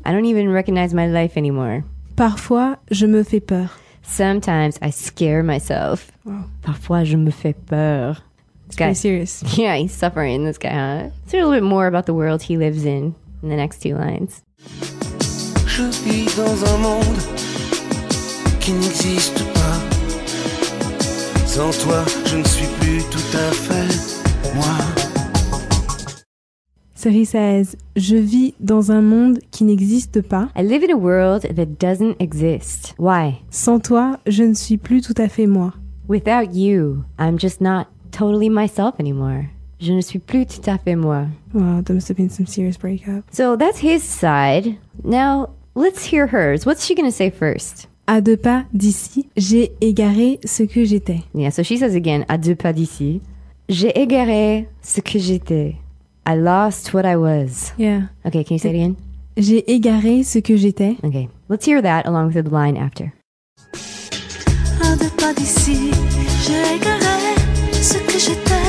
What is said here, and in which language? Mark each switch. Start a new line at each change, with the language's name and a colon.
English: I don't even recognize my life anymore.
French: Parfois, je me fais peur.
English: Sometimes, I scare myself. Wow.
French: Parfois, je me fais peur.
English: It's pretty serious. Yeah, he's suffering, this guy, huh? Let's hear a little bit more about the world he lives in the next two lines.
French: Je vis dans un monde qui n'existe pas. Sans toi, je ne suis plus tout à fait moi.
English: So he says,
French: je vis dans un monde qui n'existe pas.
English: I live in a world that doesn't exist. Why?
French: Sans toi, je ne suis plus tout à fait moi.
English: Without you, I'm just not totally myself anymore.
French: Je ne suis plus tout à fait moi.
English: Wow, there must have been some serious breakup. So that's his side. Now, let's hear hers. What's she going to say first?
French: À deux pas d'ici, j'ai égaré ce que j'étais.
English: Yeah, so she says again,
French: à deux pas d'ici, j'ai égaré ce que j'étais.
English: I lost what I was. Yeah. Okay, can you say it again?
French: J'ai égaré ce que j'étais.
English: Okay, let's hear that along with the line after.
French: À deux pas d'ici, j'ai égaré ce que j'étais.